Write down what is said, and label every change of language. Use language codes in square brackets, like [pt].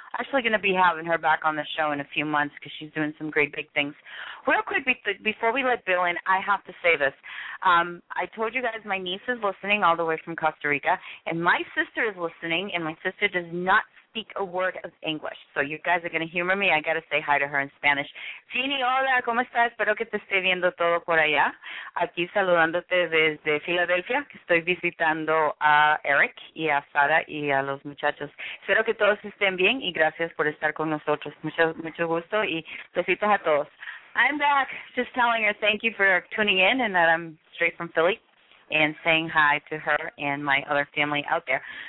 [en] Actually going to be having her back on the show in a few months because she's doing some great big things. Real quick, before we let Bill in, I have to say this. I told you guys my niece is listening all the way from Costa Rica, and my sister is listening, and my sister does not speak a word of English. So you guys are going to humor me. I got to say hi to her in Spanish. [es] Jeannie, hola, ¿cómo estás? Espero que te esté viendo todo por allá. Aquí saludándote desde Filadelfia. Estoy visitando a Eric y a Sara y a los muchachos. Espero que todos estén bien y gracias por estar con nosotros. Mucho gusto y besitos a todos. [en] I'm back just telling her thank you for tuning in and that I'm straight from Philly and saying hi to her and my other family out there.